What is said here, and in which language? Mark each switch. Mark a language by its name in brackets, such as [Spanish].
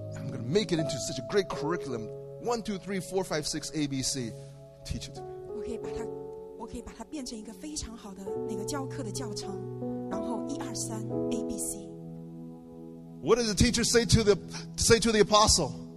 [English] I'm going to make it into such a great curriculum. 1, 2, 3, 4, 5, 6, ABC. Teach it to me. [Chinese] 我可以把它变成一个非常好的那个教课的教程。然后 1, 2, 3, ABC. [English] What does the teacher say to the apostle?